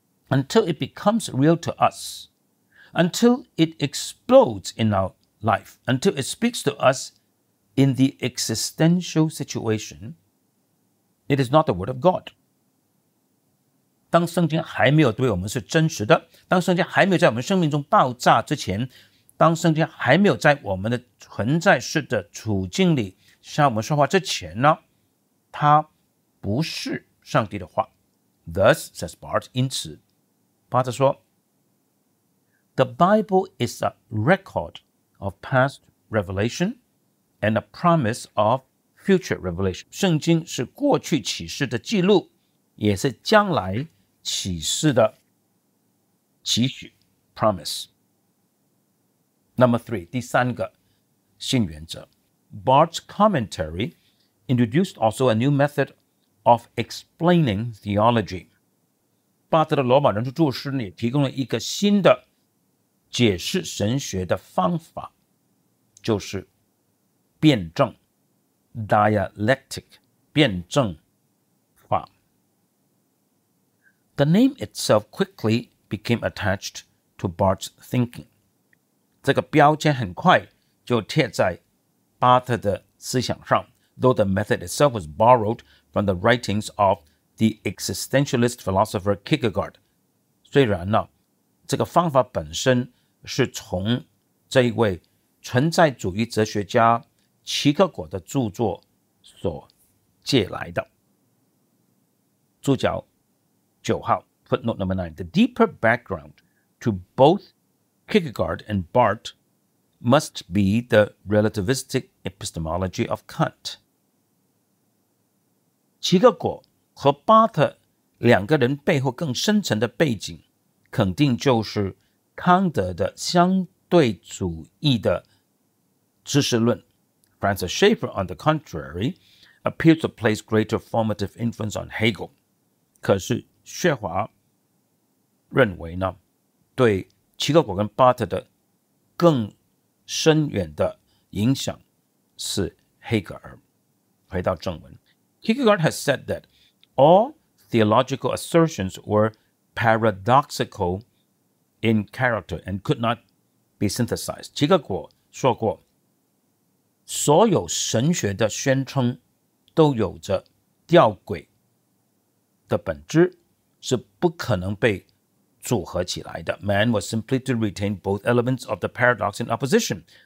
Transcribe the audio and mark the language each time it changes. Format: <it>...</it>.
<en>Until it becomes real to us, until it explodes in our life, until it speaks to us in the existential situation, it is not the word of God.</en> <zh>当圣经还没有对我们是真实的，当圣经还没有在我们生命中爆炸之前，当圣经还没有在我们的存在式的处境里向我们说话之前呢，它不是上帝的话。</zh> <en>Thus, says Bart,</en> <zh>因此巴特说</zh> <en>The Bible is a record of past revelation and a promise of future revelation.</en> <zh>圣经是过去启示的记录，也是将来启示的期许 promise.</zh> <en>Number three,</en> <zh>第三个新原则。</zh> <en>Bart's commentary introduced also a new method of explaining theology.</en> <zh>巴特的罗马人的注释也提供了一个新的解释神学的方法，就是辩证 dialectic 辩证法。</zh> <en>The name itself quickly became attached to Bart's thinking.</en> <zh>这个标签很快就贴在巴特的思想上。</zh> <en>Though the method itself was borrowed from the writings ofThe existentialist philosopher Kierkegaard.</en> <zh>虽然呢，这个方法本身是从这一位存在主义哲学家齐克果的著作所借来的。注脚九号</zh> <en>,footnote number nine, the deeper background to both Kierkegaard and Bart must be the relativistic epistemology of Kant.</en> <zh>齐克果和巴特两个人背后更深层的背景肯定就是康德的相对主义的知识论。</zh> <en>Francis Schaeffer, on the contrary, appears to place greater formative influence on Hegel.</en> <zh>可是薛华认为呢，对齐克果跟巴特的更深远的影响是黑格尔。回到正文，</zh> <en>Kierkegaard has said thatAll theological assertions were paradoxical in character and could not be synthesized.</en> <zh>齐克果说过，所有神学的宣称都有着吊诡的本质，是不可能被组合起来的。</zh> <en>Man was simply to retain both elements of the paradox in opposition.</en>